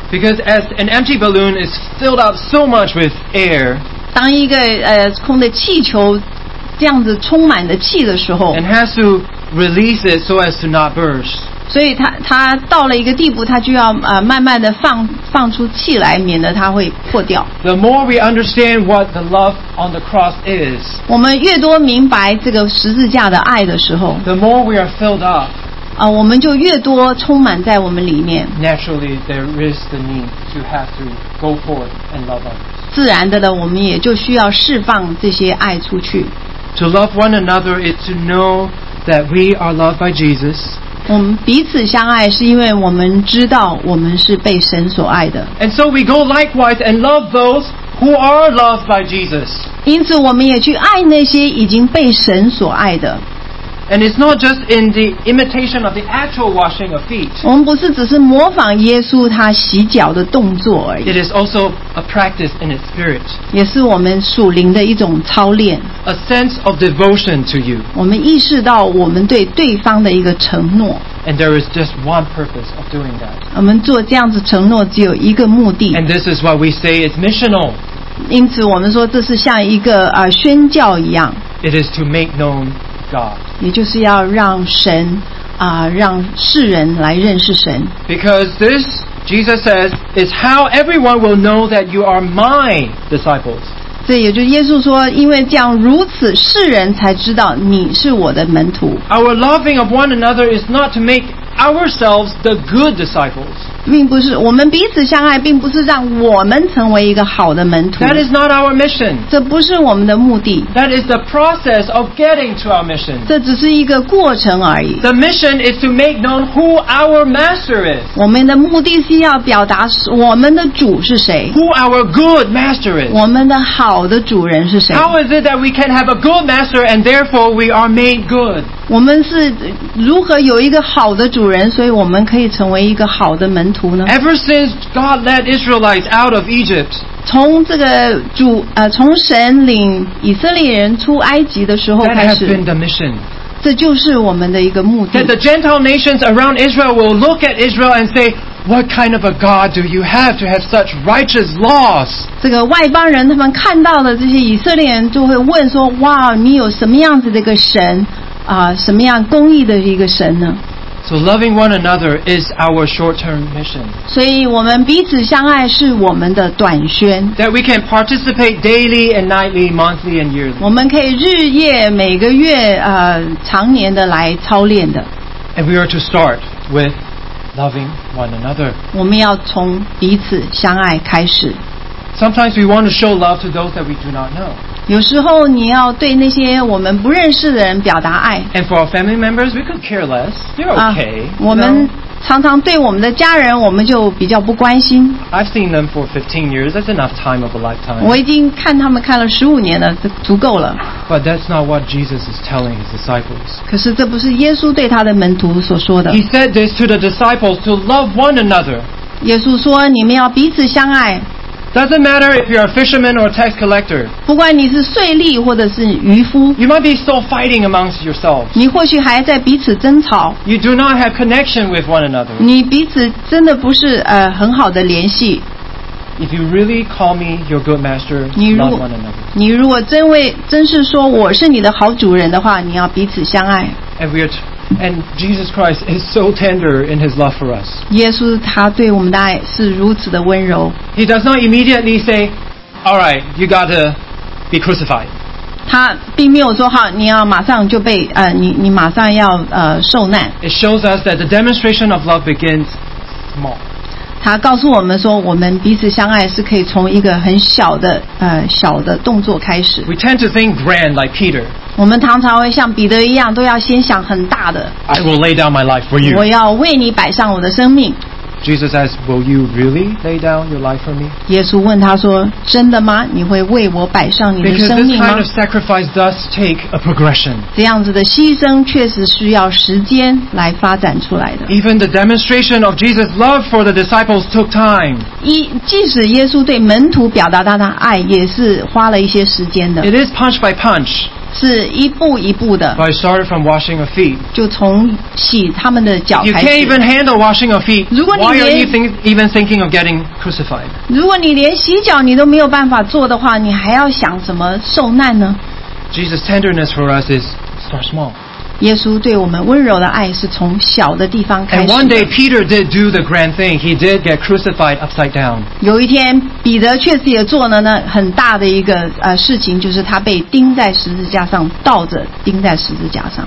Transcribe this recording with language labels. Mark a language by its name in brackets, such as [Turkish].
[English] Because as an empty balloon is filled up so much with air, [Chinese] 当一个空的气球这样子充满了气的时候 [English] ，and has to release it so as to not burst. [Chinese] 所以 他到了一个地步，他就要慢慢的放出气来，免得他会破掉。 [English] The more we understand what the love on the cross is， [Chinese] 我们越多明白这个十字架的爱的时候 [English] ，The more we are filled up， [Chinese] 我们就越多充满在我们里面。 [English] Naturally, there is the need to have to go forth and love others。 [Chinese] 自然的呢，我们也就需要释放这些爱出去。 [English] To love one another is to know that we are loved by Jesus。 [Chinese] 我们彼此相爱是因为我们知道我们是被神所爱的。 [English] And so we go likewise and love those who are loved by Jesus. [Chinese] 因此我们也去爱那些已经被神所爱的。 [English] And it's not just in the imitation of the actual washing of feet. [Chinese] 我们不是只是模仿耶稣他洗脚的动作而已。 [English] It is also a practice in its spirit. [Chinese] 也是我们属灵的一种操练。 [English] A sense of devotion to you. [Chinese] 我们意识到我们对对方的一个承诺。 [English] And there is just one purpose of doing that. [Chinese] 我们做这样子承诺只有一个目的。 [English] And this is what we say is missional. [Chinese] 因此我们说这是像一个宣教一样。 [English] It is to make known. God. [Chinese] 也就是要让神让世人来认识神。 [English] Because this, Jesus says, is how everyone will know that you are my disciples. [Chinese] 这也就是耶稣说，因为这样如此，世人才知道你是我的门徒。 [English] Our loving of one another is not to make ourselves the good disciples. [Chinese] 并不是我们彼此相爱，并不是让我们成为一个好的门徒。 [English] That is not our mission. [Chinese] 这不是我们的目的。 [English] That is the process of getting to our mission. [Chinese] 这只是一个过程而已。 [English] The mission is to make known who our master is. [Chinese] 我们的目的是要表达我们的主是谁。 [English] Who our good master is. [Chinese] 我们的好的主人是谁。 [English] How is it that we can have a good master and therefore we are made good? [Chinese] 我们是如何有一个好的主人所以我们可以成为一个好的门徒呢 [English] Ever since God led Israelites out of Egypt, [Chinese] 从这个主从神领以色列人出埃及的时候开始 [English] That has been the mission. [Chinese] 这就是我们的一个目的 [English] That the Gentile nations around Israel will look at Israel and say, What kind of a God do you have to have such righteous laws? [Chinese] 这个外邦人他们看到的这些以色列人就会问说哇你有什么样子的一个神什么样公义的一个神呢 [English] So loving one another is our short-term mission. [Chinese] 所以我们彼此相爱是我们的短宣。 [English] That we can participate daily and nightly, monthly and yearly. [Chinese] 我们可以日夜每个月常年的来操练的。 [English] And we are to start with loving one another. [Chinese] 我们要从彼此相爱开始。 [English] Sometimes we want to show love to those that we do not know. [Chinese] 有时候你要对那些我们不认识的人表达爱。 [English] And for our family members, we could care less. You're okay. [Chinese] 我们常常对我们的家人，我们就比较不关心。 [English] I've seen them for 15 years. That's enough time of a lifetime. [Chinese] 我已经看他们看了十五年了，足够了。 [English] But that's not what Jesus is telling his disciples. [Chinese] 可是这不是耶稣对他的门徒所说的。 [English] He said this to the disciples to love one another. [Chinese] 耶稣说，你们要彼此相爱。 [English] Doesn't matter if you're a fisherman or a tax collector. [Chinese] 不管你是税吏或者是渔夫。 [English] You might be still fighting amongst yourselves. [Chinese] 你或许还在彼此争吵。 [English] You do not have connection with one another. [Chinese] 你彼此真的不是很好的联系。 [English] If you really call me your good master, love one another. [Chinese] 你如果真是说我是你的好主人的话，你要彼此相爱。 [English] And Jesus Christ is so tender in His love for us. [Chinese] 耶稣他对我们的爱是如此的温柔。 [English] He does not immediately say, "All right, you gotta be crucified." [Chinese] 他并没有说好，你要马上就被你马上要受难。 [English] It shows us that the demonstration of love begins small. [Chinese] 他告诉我们说，我们彼此相爱是可以从一个很小的小的动作开始。 [English] We tend to think grand like Peter. [Chinese] 我们常常会像彼得一样，都要先想很大的。 [English] I will lay down my life for you. [Chinese] 我要为你摆上我的生命。 [English] Jesus says, "Will you really lay down your life for me?" [Chinese] 耶稣问他说，真的吗？你会为我摆上你的生命吗？ [English] Because this kind of sacrifice does take a progression. [Chinese] 这样子的牺牲确实需要时间来发展出来的。 [English] Even the demonstration of Jesus' love for the disciples took time. [Chinese] 即使耶稣对门徒表达他的爱，也是花了一些时间的。 [English] It is punch by punch. [Chinese] 是一步一步的。 [English] But it started from washing of feet. [Chinese] 就从洗他们的脚开始。 [English] You can't even handle washing of feet. Why are you even thinking of getting crucified? [Chinese] 如果你连洗脚你都没有办法做的话，你还要想什么受难呢？ [English] Jesus' tenderness for us is start small. [Chinese] 耶稣对我们温柔的爱是从小的地方开始的。 [English] And one day Peter did do the grand thing. He did get crucified upside down. [Chinese] 有一天彼得确实也做了那很大的一个事情，就是他被钉在十字架上，倒着钉在十字架上。